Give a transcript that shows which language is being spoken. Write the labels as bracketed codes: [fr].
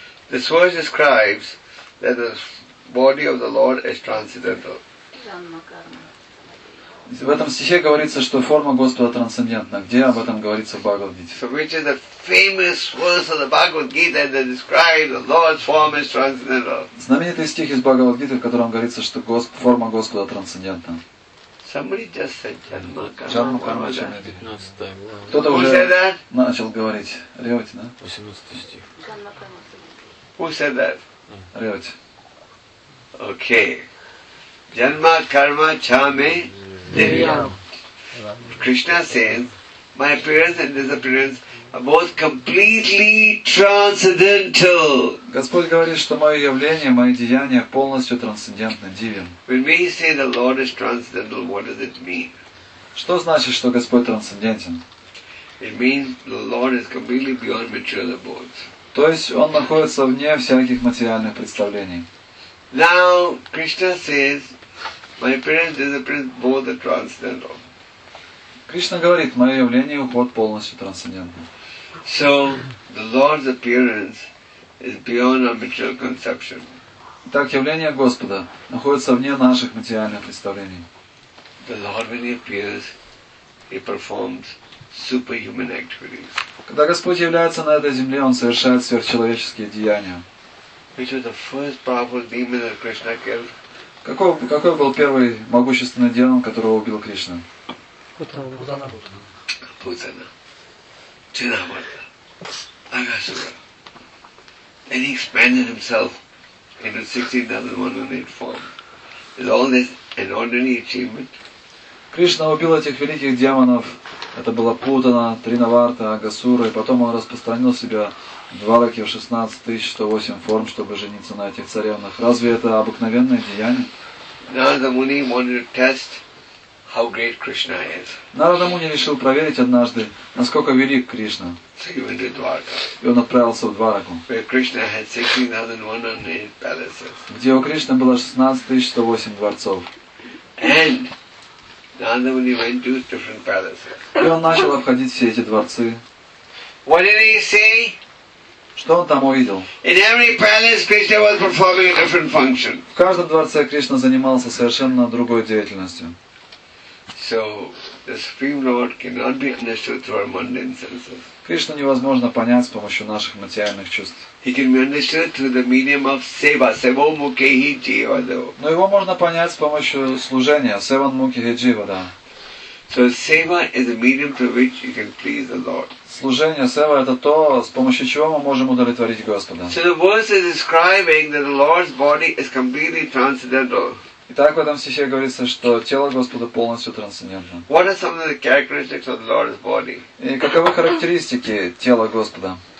[en] This verse describes that the body of the Lord is transcendental. [ru] В этом стихе говорится, что форма Господа трансцендентна. Где об этом говорится в Бхагавад Гите? [en] So which is the famous verse of the Bhagavad Gita that describes the Lord's form is transcendental? [ru] Знаменитый стих из Бхагавад Гиты, в котором говорится, что форма Господа трансцендентна. [en] Somebody just said [sa] Janma Karma. Janma Karma, 19. [ru] Кто-то уже начал говорить. Ревоти, да? 18 стих. [en] Who said that? [ru] Ревоти. [sa] Okay. Janma Karma Chame Deviyam. [en] Krishna says, my appearance and disappearance are both completely transcendental. [ru] Господь говорит, что мое явление, мои деяния полностью трансцендентны, дивен. [en] When we say the Lord is transcendental, what does it mean? [ru] Что значит, что Господь трансцендентен? [en] It means the Lord is completely beyond material abodes. [ru] То есть он находится вне всяких материальных представлений. [en] Now Krishna says, my appearance and disappearance both are transcendental. [ru] Кришна говорит, мое явление и уход полностью трансцендентны. [en] So the Lord's appearance is beyond our material conception. [ru] Так явление Господа находится вне наших материальных представлений. [en] The Lord, when he appears, he performs superhuman activities. [ru] Когда Господь является на этой земле, он совершает сверхчеловеческие деяния. [en] Which was the first powerful demon that Krishna killed? [ru] Какой был первый могущественный демон, которого убил Кришна? Путана. Чинамата. Агасура. [en] And he expanded himself into 16,108 forms. With all this an ordinary achievement. [ru] Кришна убил этих великих демонов. Это было Путана, Тринаварта, Агасура, и потом он распространил себя Двараки в 16108 форм, чтобы жениться на этих царевнах. Разве это обыкновенное деяние? [en] Narada Muni wanted to test how great Krishna is. [ru] Narada Muni решил проверить однажды, насколько велик Кришна. [en] So he went to Dwarka. [ru] И он отправился в Двараку. [en] Where Krishna had 16108 palaces. [ru] Где у Кришны было 16108 дворцов. [en] And Narada Muni went to different palaces. [ru] И он начал обходить все эти дворцы. [en] What did he see? [ru] Что он там увидел? [en] In every palace, Krishna was performing a different function. [ru] В каждом дворце Кришна занимался совершенно другой деятельностью. [en] So, the Supreme Lord cannot be understood through our mundane senses. [ru] Кришну невозможно понять с помощью наших материальных чувств. [en] He can be understood through the medium of seva, [sa] seva mukhi jiva. [ru] Но его можно понять с помощью служения, [sa] seva mukhi jiva, [ru] да. [en] So seva is a medium through which you can please the Lord. [ru] Служение сева это то, с помощью чего мы можем удовлетворить Господа. [en] So the verse is describing that the Lord's body is completely transcendental. [ru] Итак, в этом стихе говорится, что тело Господа полностью трансцендентно. [en] What are some of the characteristics of the Lord's body? [ru] И каковы характеристики тела Господа?